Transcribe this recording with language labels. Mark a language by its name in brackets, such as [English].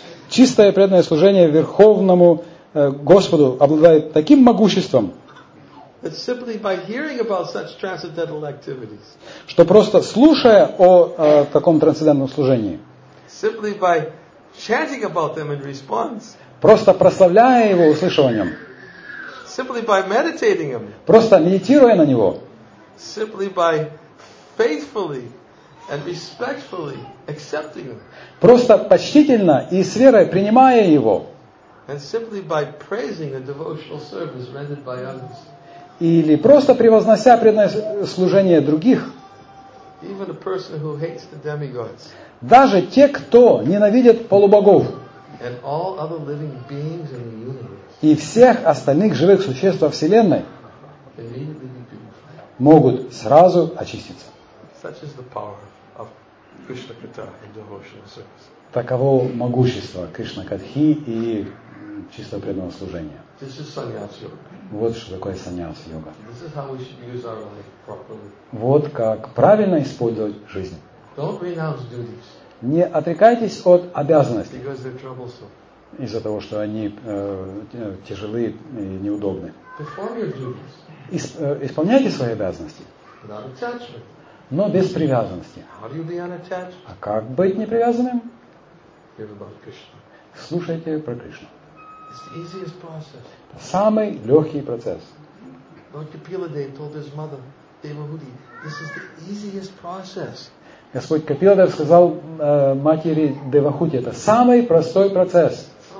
[Russian] Чистое преданное служение Верховному Господу обладает таким могуществом, [English] that simply by hearing about such transcendental activities, [Russian] что просто слушая о таком трансцендентном служении, [English] simply by chanting about them in response, [Russian] просто прославляя его услышиванием, [English] simply by meditating him, [Russian] просто медитируя на него, [English] simply by faithfully and respectfully accepting him. [Russian] Просто почтительно и с верой принимая его. [English] And simply by praising the devotional service rendered by others. [Russian] Или просто превознося преданное служение других. [English] Even a person who hates the demigods. [Russian] Даже те, кто ненавидит полубогов. [English] And all other living beings in the universe. [Russian] И всех остальных живых существ во Вселенной. [English] Immediately be purified. [Russian] Могут сразу очиститься. [English] Such is the power. [Russian] Кришна Катха и [English] devotional service. [Russian] Таково могущество Кришна Катхи и чистого преданного служения. [English] This is sannyas yoga. [Russian] Вот что такое sannyas yoga. [English] This is how we should use our life properly. [Russian] Вот как правильно использовать жизнь. [English] Don't renounce duties. [Russian] Не отрекайтесь от обязанностей. [English] Because they're troublesome. [Russian] Из-за того, что они тяжелы и неудобны. [English] Perform your duties. [Russian] Исполняйте свои обязанности. [English] Without attachment. [Russian] Но без привязанности. [English] How do you be unattached? [Russian] А как быть непривязанным? [English] Hear about Krishna. [Russian] Слушайте про Кришну. [English] It's the easiest process. [Russian] Самый легкий процесс. [English] Lord Kapila Dev told his mother, Devahuti, this is the easiest process. [Russian] Господь Капила Дев сказал матери Девахути, это самый простой процесс.